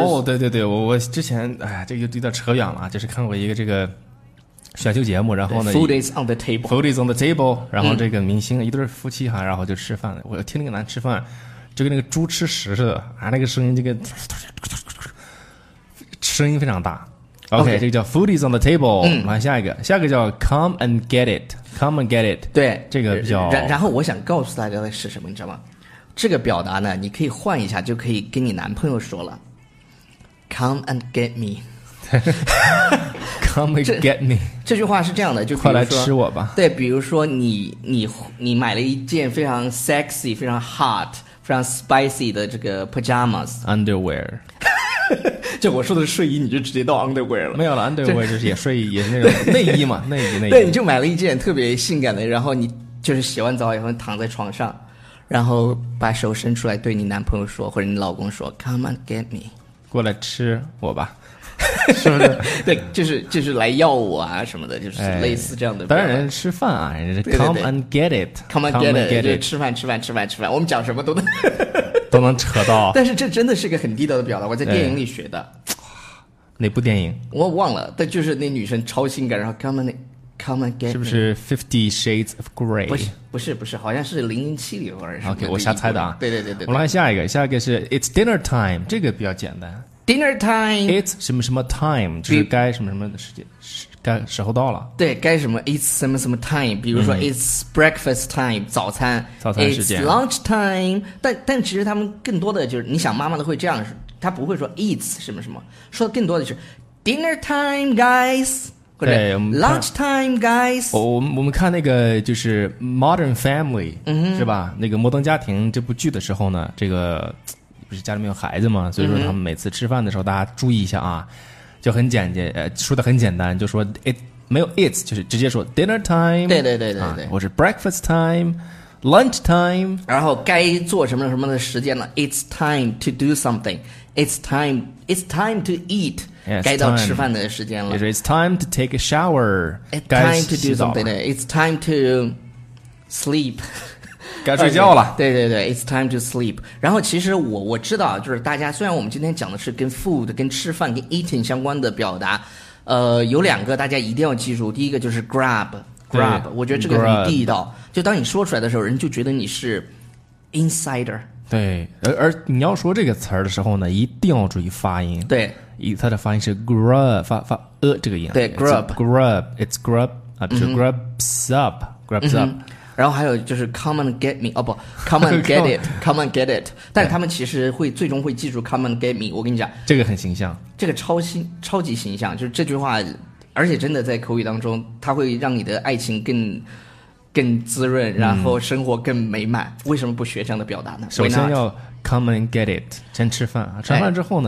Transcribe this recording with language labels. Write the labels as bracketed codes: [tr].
[zh] 哦对对对我之前哎呀这个就有点扯远了就是看过一个这个选秀节目然后呢 [en] Food is on the table Food is on the table [zh] 然后这个明星一对夫妻哈然后就吃饭我听那个男吃饭就跟那个猪吃食似的啊那个声音这个声音非常大 [en] okay, OK [zh] 这个叫 [en] Food is on the table [zh] 来下一个下一个叫 [en] Come and get it Come and get it [zh] 对这个比较然后我想告诉大家的是什么你知道吗这个表达呢你可以换一下就可以跟你男朋友说了 [en] Come and get me Come and get me [zh] 这句话是这样的就快来吃我吧对比如说你买了一件非常 sexy 非常 hot 非常 spicy 的这个 pajamas [en] underwear [zh] 就我说的睡衣你就直接到 underwear 了没有了 underwear 就是也睡衣也是那种内衣嘛内衣内衣对你就买了一件特别性感的然后你就是洗完澡以后躺在床上然后把手伸出来对你男朋友说或者你老公说 [en] Come and get me [zh] 过来吃我吧是不是对就是来要我啊什么的就是类似这样的、哎、当然吃饭啊人家 [en] come and get it come and get it [zh] 就是吃饭我们讲什么都能都能扯到但是这真的是个很地道的表达我在电影里学的哪部电影我忘了但就是那女生超性感然后 [en] come and get it [zh] 是不是 Fifty Shades of Grey 不是好像是007里或者什么 OK 我瞎猜的啊对我们来下一个下一个是 [en] It's dinner time [zh] 这个比较简单 [en] Dinner time. [zh] It's 什么什么 time 就是该什么什么的时间该时候到了。对该什么 It's 什么什么 time 比如说 [en] It's breakfast time [zh] 早餐早餐时间 [en] It's lunch time [zh] 但其实他们更多的就是你想妈妈的会这样他不会说 It's 什么什么说的更多的就是 [en] Dinner time guys 或者 Lunch time guys。 [zh] 我们看那个就是 Modern Family、嗯、是吧，那个摩登家庭这部剧的时候呢，这个不是家里面有孩子嘛，所以说他们每次吃饭的时候、嗯、大家注意一下啊，就很简洁、说的很简单，就说 it 没有 it's 就是直接说 dinner time，对对对对对、 [en] 啊、或是 breakfast timeLunch time， [zh] 然后该做什么什么的时间了。 [en] It's time to do something. It's time to eat. Yeah, it's [zh] 该到吃饭的时间了。 [en] It's time to take a shower. It's time to do something. It's time to sleep. [zh] 该睡觉了。 [en] 对对对 ，It's time to sleep. [zh] 然后其实我知道，就是大家虽然我们今天讲的是跟 food、跟吃饭、跟 eating 相关的表达，有两个大家一定要记住。第一个就是 grab。 Grab， 我觉得这个很地道。 [en] Grab, [zh] 就当你说出来的时候，人就觉得你是 insider。对，而你要说这个词儿的时候呢，一定要注意发音。对，它的发音是 grub， 发这个音。 [en] 对 ，grub， grub， it's grub 啊，就是 grubs up， grubs up、嗯。 [zh] 然后还有就是 [en] come and get me， 哦不 ，come and get it， come and get it。 [zh] 但他们其实会最终会记住 [en] come and get me。 [zh] 我跟你讲，这个很形象，这个超级形象，就是这句话。而且真的在口语当中，它会让你的爱情更滋润，然后生活更美满、嗯、为什么不学这样的表达呢？首先要 come and get it， 先吃饭，吃完饭之后呢、